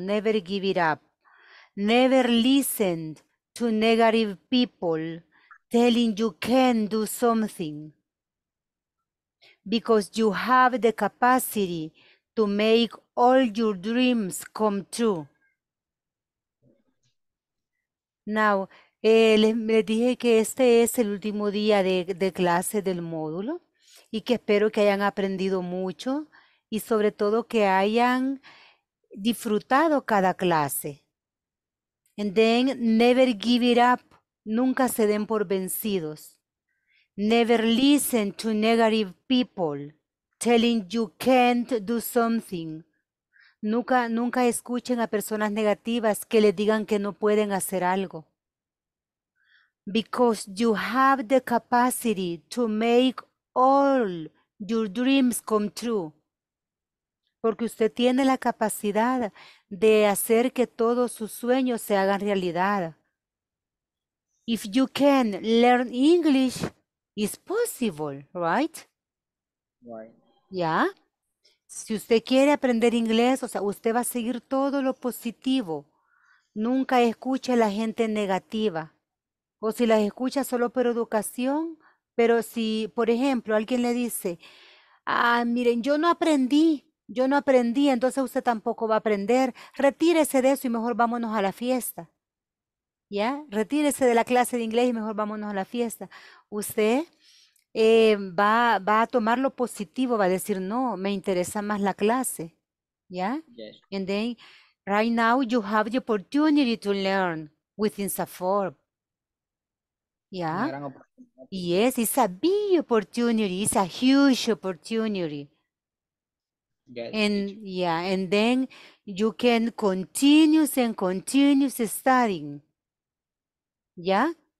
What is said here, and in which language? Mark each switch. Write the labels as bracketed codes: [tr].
[en] Never give it up. Never listen to negative people telling you can do something. Because you have the capacity to make all your dreams come true. [es] Now, les dije que este es el último día de clase del módulo y que espero que hayan aprendido mucho y sobre todo que hayan disfrutado cada clase. [en] And then, never give it up. [es] Nunca se den por vencidos. [en] Never listen to negative people telling you can't do something. [es] Nunca, nunca escuchen a personas negativas que les digan que no pueden hacer algo. [en] Because you have the capacity to make all your dreams come true. [es] Porque usted tiene la capacidad de hacer que todos sus sueños se hagan realidad. [en] If you can learn English, it's possible, right? Right. [es] ¿Ya? Si usted quiere aprender inglés, o sea, usted va a seguir todo lo positivo. Nunca escuche a la gente negativa. O si las escucha solo por educación, pero si, por ejemplo, alguien le dice, ah, miren, yo no aprendí, entonces usted tampoco va a aprender. Retírese de eso y mejor vámonos a la fiesta. ¿Ya? Retírese de la clase de inglés y mejor vámonos a la fiesta. Usted va a tomar lo positivo, va a decir, no, me interesa más la clase. ¿Ya? [en] Yes. And then, right now, you have the opportunity to learn within Safor. [es] Una ¿Ya? gran oportunidad. [en] Yes, it's a big opportunity, it's a huge opportunity. Yes, teacher. And, yeah, and then you can continuous and continuous studying. [es] ¿Ya?